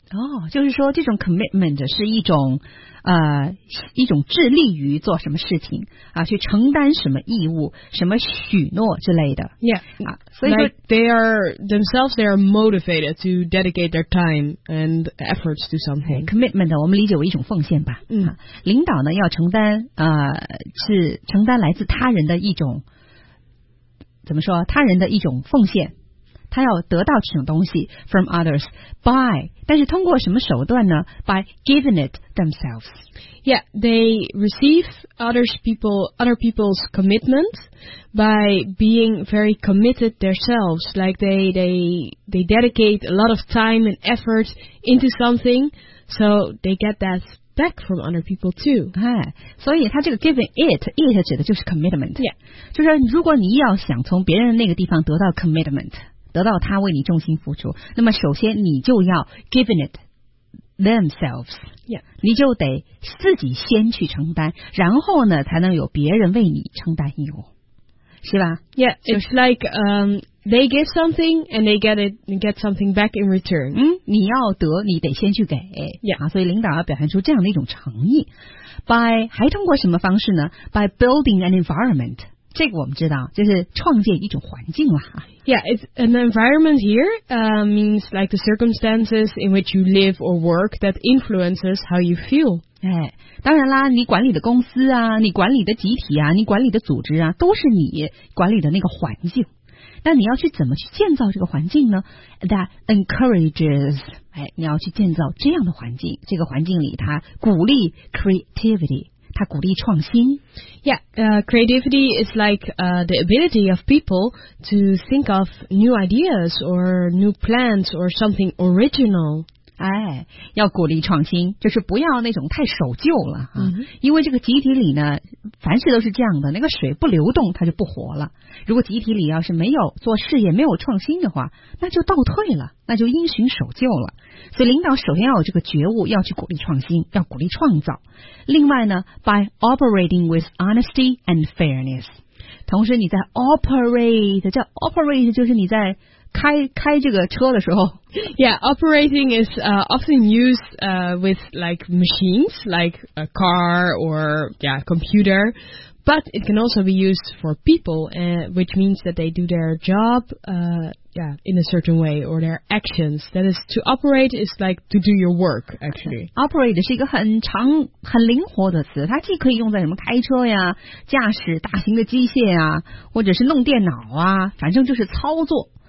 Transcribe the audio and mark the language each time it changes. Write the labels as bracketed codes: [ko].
[zh] 哦，就是说这种 commitment 是一种一种致力于做什么事情啊，去承担什么义务、什么许诺之类的。 [en] Yeah, 啊，所以说 like they are motivated to dedicate their time and efforts to something. [zh] Commitment 我们理解为一种奉献吧。嗯，啊，领导呢要承担是承担来自他人的一种怎么说？他人的一种奉献。他要得到这种东西 from others by 但是通过什么手段呢 by giving it themselves [en] yeah they receive other people's commitment by being very committed themselves like they dedicate a lot of time and effort into something so they get that back from other people too [zh] 哎，所以他这个 giving it 指的就是 commitment [en] yeah [zh] 就是如果你要想从别人那个地方得到 commitment得到他为你重心付出，那么首先你就要 giving it themselves， [en] yeah， [zh] 你就得自己先去承担，然后呢才能有别人为你承担义务，是吧 [en] ？Yeah， it's like they give something and they get something back in return。 [zh] 嗯，你要得，你得先去给。 [en] Yeah， [zh] 啊，所以领导要表现出这样的一种诚意 ，by 还通过什么方式呢 ？ By building an environment。这个我们知道，就是创建一种环境了哈。 [en] Yeah, it's an environment here, means like the circumstances in which you live or work that influences how you feel. [zh] 哎，当然啦，你管理的公司啊，你管理的集体啊，你管理的组织啊，都是你管理的那个环境。那你要去怎么去建造这个环境呢 ？ That encourages，哎，你要去建造这样的环境，这个环境里它鼓励 creativity。他鼓励创新 [en] Yeah, creativity is like the ability of people to think of new ideas or new plans or something original. [zh] 哎，要鼓励创新，就是不要那种太守旧了啊。 Mm-hmm. 因为这个集体里呢，凡事都是这样的，那个水不流动，它就不活了。如果集体里要是没有做事业，没有创新的话，那就倒退了，那就因循守旧了。所以领导首先要有这个觉悟，要去鼓励创新，要鼓励创造。另外呢 ， by operating with honesty and fairness，同时你在 operate， 叫 operate 就是你在开这个车的时候。 [en] Yeah, operating is often used with like machines, like a car or yeah computer, but it can also be used for people, which means that they do their job. Yeah, in a certain way, or their actions. That is, to operate is like to do your work, actually. [zh] Operate 是一个很长、很灵活的词，它既可以用在什么开车呀、驾驶大型的机械啊，或者是弄电脑啊，反正就是操作。